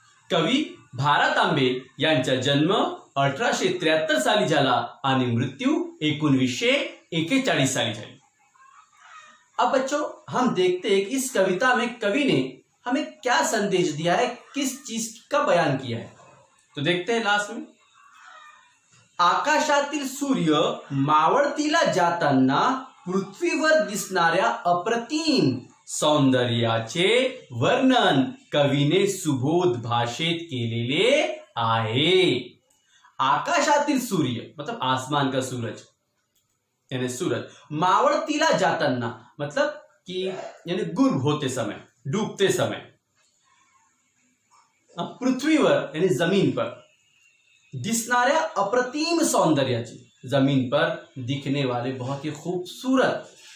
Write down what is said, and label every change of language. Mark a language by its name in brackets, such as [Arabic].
[Marathi] कवि भारा तांबे यांचा जन्म 1873 साली झाला आणि मृत्यू 1941 साली झाली. [Hindi] अब बच्चों, हम देखते हैं कि इस कविता में कवि ने हमें क्या संदेश दिया है, किस चीज का बयान किया है. तो देखते हैं लास्ट में. [Marathi] आकाशातील सूर्य मावळतीला जाताना पृथ्वीवर दिसणाऱ्या अप्रतिम सौंदर्याचे वर्णन कवीने सुबोध भाषेत केलेले आहे. आकाशातील सूर्य [Hindi] मतलब आसमान का सूरज, यानी सूरज [Marathi] मावळतीला जाताना [Hindi] मतलब कि यानी गुर होते समय, डूबते समय, [Marathi] पृथ्वीवर [Hindi] यानी जमीन पर [Marathi] दिसणाऱ्या अप्रतिम सौंदर्याची, [Hindi] जमीन पर दिखने वाले बहुत ही खूबसूरत